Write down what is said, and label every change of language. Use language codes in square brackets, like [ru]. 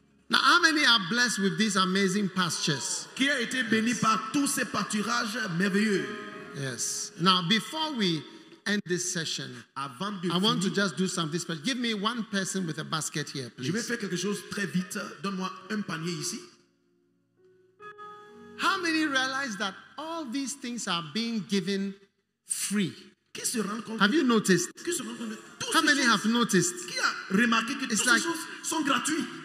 [en] Now, how many are blessed with these amazing pastures? [fr] Qui a été béni par tous ces pâturages merveilleux? [en] Yes. Now, before we end this session, [fr] avant de [en] I [fr] finir, [en] want to just do something special. Give me one person with a basket here, please. [fr] Je vais faire quelque chose très vite. Donne-moi un panier ici. [en] How many realize that all these things are being given free? [fr] Qui se rend compte? [en] Have you noticed? [fr] Qui se rend compte? [en] How many have noticed? [fr] Qui a remarqué que toutes ces choses sont gratuites?